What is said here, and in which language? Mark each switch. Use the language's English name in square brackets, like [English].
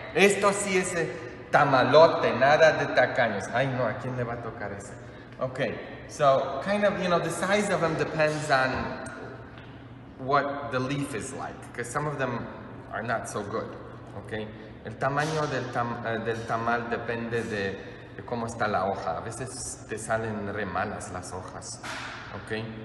[Spanish] Esto sí es el tamalote, nada de tacaños. Ay, no, ¿a quién le va a tocar ese? [English] Okay, so kind of, you know, the size of them depends on what the leaf is like, because some of them are not so good, okay? [Spanish] El tamaño del del tamal depende de cómo está la hoja. A veces te salen re malas las hojas, okay?